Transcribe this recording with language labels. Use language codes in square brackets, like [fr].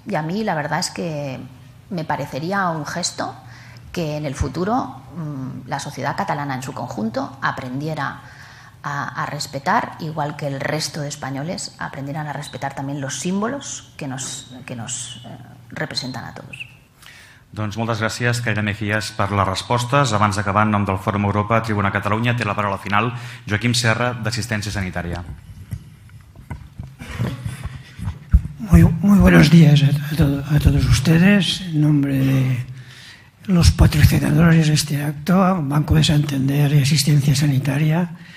[es] Y a mí la verdad es que me parecería un gesto que en el futuro la sociedad catalana en su conjunto aprendiera a respetar, igual que el resto de españoles aprendieran a respetar también los símbolos que nos representan a todos. [ca] Doncs moltes gràcies, Carina Mejías, per les respostes. Abans d'acabar, en nom del Fòrum Europa, Tribuna Catalunya, té la paraula final Joaquim Serra, d'Assistència Sanitària. [es] Muy buenos días a todos ustedes, en nombre de los patrocinadores de este acto, Banco de Santander y Asistencia Sanitaria.